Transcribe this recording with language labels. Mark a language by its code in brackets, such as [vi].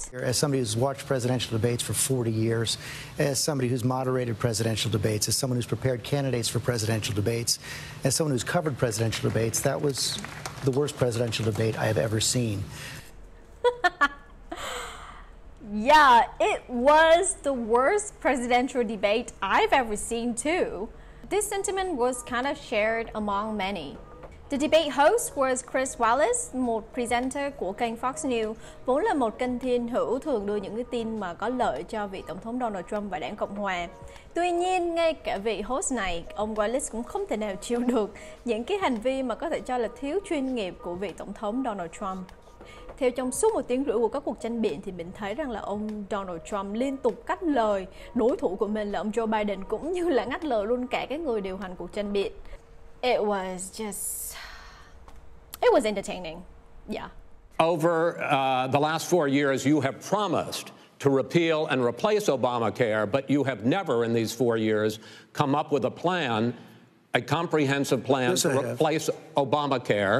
[en] As somebody who's watched presidential debates for 40 years, as somebody who's moderated presidential debates, as someone who's prepared candidates for presidential debates, as someone who's covered presidential debates, that was the worst presidential debate I have ever seen. Yeah, it was the worst presidential debate I've ever seen too. This sentiment was kind of shared among many. The debate host was Chris Wallace, [vi] một presenter của kênh Fox News, vốn là một kênh tin hữu thường đưa những cái tin mà có lợi cho vị Tổng thống Donald Trump và Đảng Cộng Hòa. Tuy nhiên, ngay cả vị host này, ông Wallace cũng không thể nào chịu được những cái hành vi mà có thể cho là thiếu chuyên nghiệp của vị Tổng thống Donald Trump. Theo trong suốt một tiếng rưỡi của các cuộc tranh biện thì mình thấy rằng là ông Donald Trump liên tục cắt lời đối thủ của mình là ông Joe Biden, cũng như là ngắt lời luôn cả cái người điều hành cuộc tranh biện. [en] It was entertaining. Yeah. Over the last 4 years, you have promised to repeal and replace Obamacare, but you have never in these 4 years come up with a plan, a comprehensive plan to replace Obamacare.